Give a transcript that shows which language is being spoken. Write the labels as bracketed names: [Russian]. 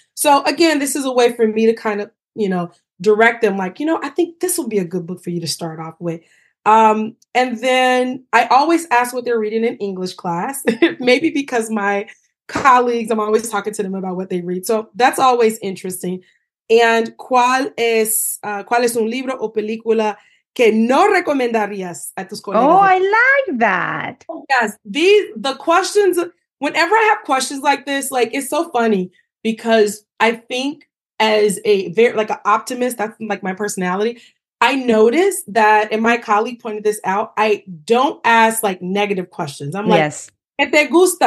[English] So again, this is a way for me to kind of, you know, direct them, like, you know, I think this will be a good book for you to start off with. And then I always ask what they're reading in English class, maybe because my colleagues, I'm always talking to them about what they read. So that's always interesting. And [Spanish] ¿cuál es un libro o película que no recomendarías a tus colegas? [English] Oh, I like that. Yes. The questions, whenever I have questions like this, like, it's so funny, because I think as a very, like, an optimist, that's like my personality. I noticed that, and my colleague pointed this out, I don't ask like negative questions. I'm like, yes. [Spanish] ¿Qué te gusta?